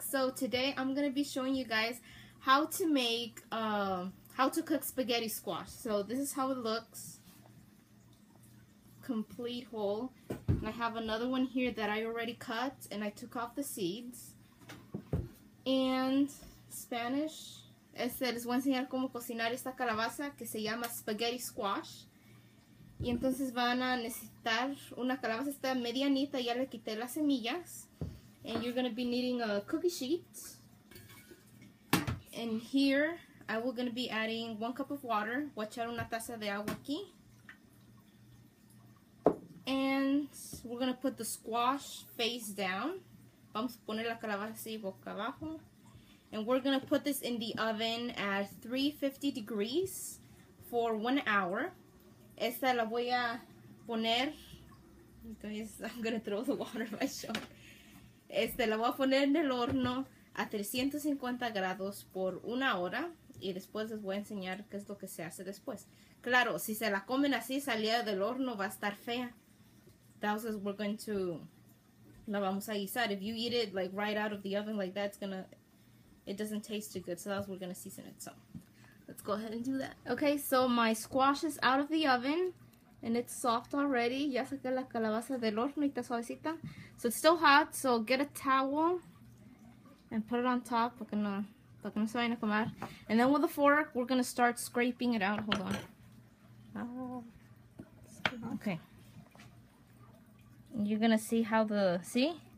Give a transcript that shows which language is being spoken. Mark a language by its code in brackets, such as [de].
[en] So today I'm going to be showing you guys how to make, how to cook spaghetti squash. So this is how it looks. Complete whole. And I have another one here that I already cut and I took off the seeds. And Spanish. [es] Este les voy a enseñar cómo cocinar esta calabaza que se llama spaghetti squash. Y entonces van a necesitar una calabaza, esta medianita, ya le quité las semillas. [en] And you're going to be needing a cookie sheet. And here, I will going to be adding 1 cup of water. [es] Voy a echar una taza de agua aquí. [en] And we're going to put the squash face down. [es] Vamos a poner la calabaza así boca abajo. [en] And we're going to put this in the oven at 350 degrees for 1 hour. [es] Esta la voy a poner. [en] Guys, I'm going to throw the water if I show. [es] Este, la voy a poner en el horno a 350 grados por 1 hora y después les voy a enseñar qué es lo que se hace después. Claro, si se la comen así, salida del horno, va a estar fea. [en] That's what we're going to, [es] la vamos a guisar. [en] If you eat it like right out of the oven like that, it's gonna, it doesn't taste too good. So that's what we're gonna season it. So let's go ahead and do that. Okay, so my squash is out of the oven. And it's soft already. [es] Ya saqué la calabaza del horno y está suavecita. [en] So it's still hot, so get a towel and put it on top. [es] Porque no se vayan a comer. [en] And then with a fork, we're going to start scraping it out. Hold on. Okay. You're going to see how the, see?